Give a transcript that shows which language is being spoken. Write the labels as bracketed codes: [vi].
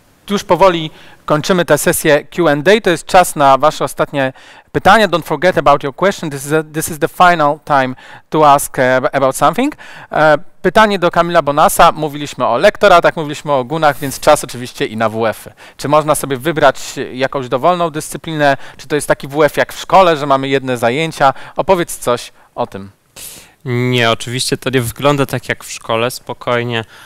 [pl] Już powoli kończymy tę sesję Q&A. To jest czas na wasze ostatnie pytania. [en] Don't forget about your question. This is the final time to ask about something. [pl] Pytanie do Kamila Bonasa. Mówiliśmy o lektoratach, mówiliśmy o gunach, więc czas oczywiście i na WF-y. Czy można sobie wybrać jakąś dowolną dyscyplinę? Czy to jest taki WF jak w szkole, że mamy jedne zajęcia? Opowiedz coś o tym. Nie, oczywiście to nie wygląda tak jak w szkole, spokojnie.